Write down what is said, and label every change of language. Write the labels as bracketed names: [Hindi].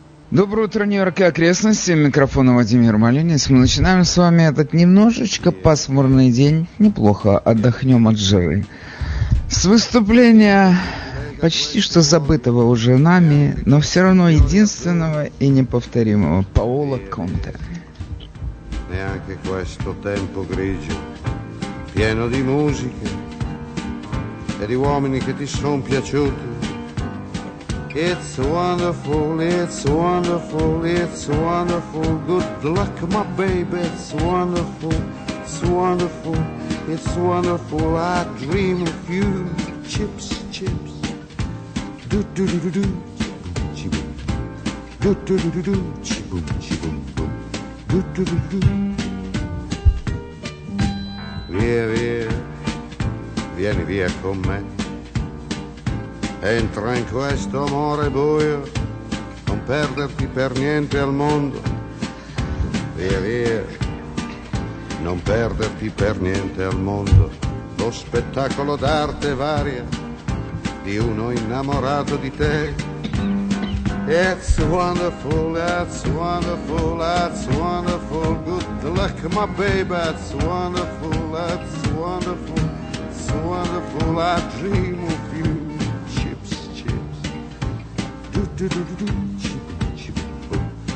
[Russian] Доброе утро, Нью-Йорк и окрестности. Микрофон Вадим Ермолинец. Мы начинаем с вами этот немножечко пасмурный день. Неплохо отдохнем от жары. С выступления почти что забытого уже нами, но все равно единственного и неповторимого Паоло Конте. [Italian] Neanche questo tempo grigio, pieno di musica e di uomini che ti sono piaciuti. [English] It's wonderful, it's wonderful, it's wonderful. Good luck, my baby, it's wonderful, it's wonderful, it's wonderful. I dream of you, chips, chips. Do do do do do, chibum. Do do do do do, chibum, chibum, boom. Do do do do. [Italian] Via, via, vieni via con me. Entra in questo amore buio, non perderti per niente al mondo. Via, via, non perderti per niente al mondo. Lo spettacolo d'arte varia di uno innamorato di te. [English] It's wonderful, that's wonderful, that's wonderful. Good luck, my baby, that's wonderful. That's wonderful, it's wonderful. I dream of you, chips, chips. Do do do do do, chip, chip, boom.